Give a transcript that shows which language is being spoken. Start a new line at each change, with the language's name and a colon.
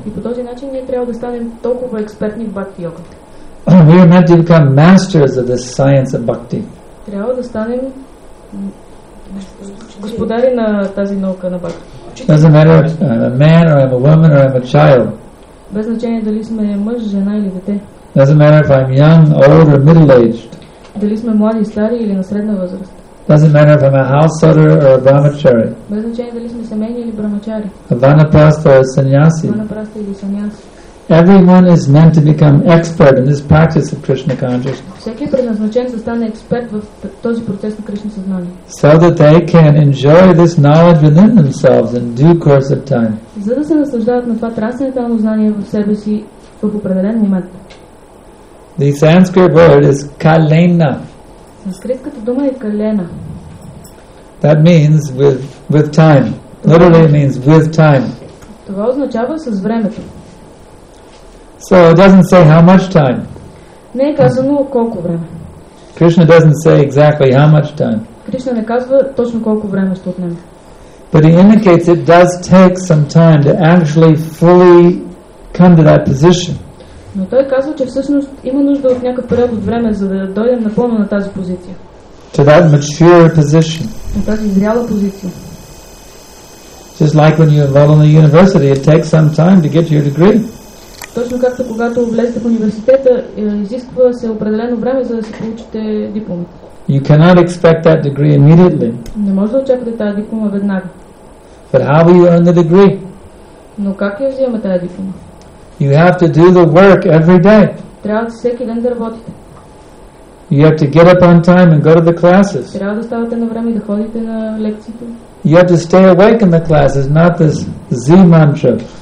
Bulgarian: И по този начин ние трябва да станем толкова експертни в бхакти йога.
English: We are meant to become masters of the science of bhakti.
Bulgarian: Трябва да станем господари на тази наука на бхакти.
English: Doesn't matter if I'm a man or I'm a woman or I'm a child.
Bulgarian: Без значение дали сме мъж, жена или дете.
English: Doesn't matter if I'm young, old or middle-aged.
Bulgarian: Дали сме млади, стари или на средна възраст.
English: Doesn't matter if I'm a householder or a brahmachari.
Bulgarian: Без значение дали сме семейни или брамачари.
English: A vanaprastha or a sannyasi.
Bulgarian: Vanaprastha или sannyasi.
English: Everyone is meant to become expert in this practice of Krishna consciousness.
Bulgarian: Всеки е предназначен да стане експерт в този процес на Кришна съзнание.
English: So that they can enjoy this knowledge within themselves in due course of time.
Bulgarian: За да се наслаждават на това трансцендентално знание в себе си в определен момент.
English: The Sanskrit word is kalena.
Bulgarian: Санскритската дума е калена.
English: That means with time. Literally it means with time.
Bulgarian: Това означава с времето.
English: So it doesn't say how much time.
Bulgarian: Не е казано колко време.
English: Krishna doesn't say exactly how much time.
Bulgarian: Кришна не казва точно колко време ще отнеме.
English: But he indicates it does take some time to actually fully come to that position.
Bulgarian: Но той казва, че всъщност има нужда от някакъв период от време, за да дойдем напълно на тази позиция.
English: To that mature position.
Bulgarian: На тази зряла позиция.
English: Just like when you enroll in the university, it takes some time to get your degree.
Bulgarian: Точно както когато влезете в университета, изисква се определено време, за да си получите диплома.
English: You cannot expect that degree immediately.
Bulgarian: Не може да очаквате тази диплома веднага.
English: But how will you earn the degree?
Bulgarian: Но как я взимате тази диплома?
English: You have to do the work every day.
Bulgarian: Трябва всеки ден да работите.
English: You have to get up on time and go to the classes.
Bulgarian: Трябва да ставате на време и да ходите на лекциите.
English: You have to stay awake in the classes, not this Z mantra.